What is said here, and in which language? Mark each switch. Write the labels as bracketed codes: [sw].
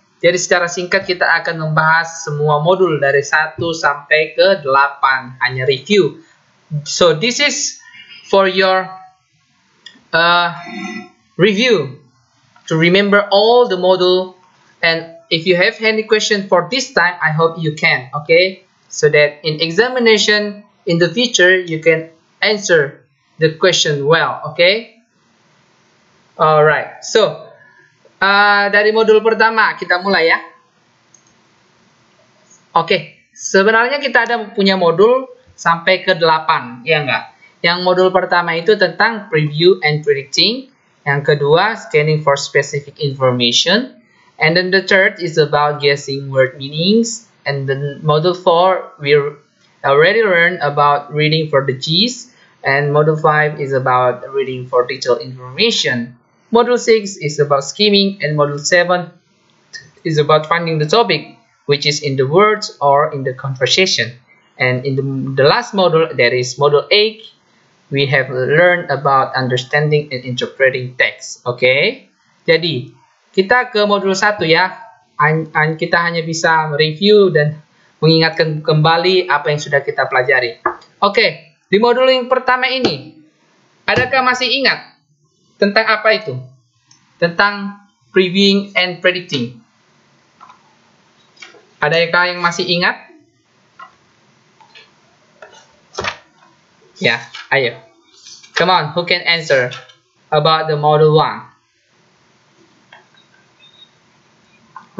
[id] Jadi secara singkat kita akan membahas semua modul dari 1 sampai ke 8. Hanya review. [en] So, this is for your review to remember all the module, and if you have any question for this time, I hope you can, okay, so that in examination in the future you can answer the question well, okay. Alright, so [id] dari modul pertama kita mulai ya. Okay, sebenarnya kita ada punya modul sampai ke 8, ya enggak? Yang modul pertama itu tentang [en] preview and predicting. [id] Yang kedua, [en] scanning for specific information. And then the third is about guessing word meanings. And then module 4, we already learned about reading for the G's. And module 5 is about reading for detailed information. Module 6 is about skimming. And module 7 is about finding the topic, which is in the words or in the conversation. And in the last module, that is module 8, we have learned about understanding and interpreting text, okay? [id] Jadi, kita ke modul 1 ya. Kita hanya bisa review dan mengingatkan kembali apa yang sudah kita pelajari. Okay, di modul yang pertama ini, adakah masih ingat tentang apa itu? Tentang [en] previewing and predicting. [id] Adakah yang masih ingat? Ya, ayo. [en] Come on, who can answer about the model 1?